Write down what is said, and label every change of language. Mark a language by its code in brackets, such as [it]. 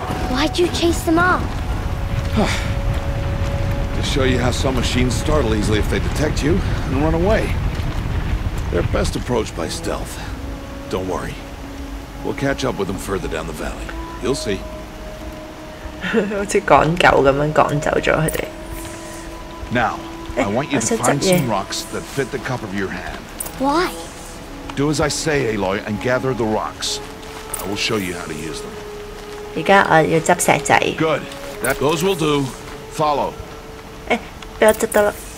[en] Why'd you chase them off? To show you how some machines startle easily if they detect you and run away. They're best approached by stealth. Don't worry. We'll catch up with them further down the valley. You'll see. [yue] 好似趕狗咁樣趕走咗佢哋。 [en] Now, I want you to find some rocks that fit the cup of your hand. Why? Do as I say, Aloy, and gather the rocks. I will show you how to use them. [yue] 而家我要執石仔。 [en] Good. Those will do. Follow. [yue] 欸，俾我執得啦。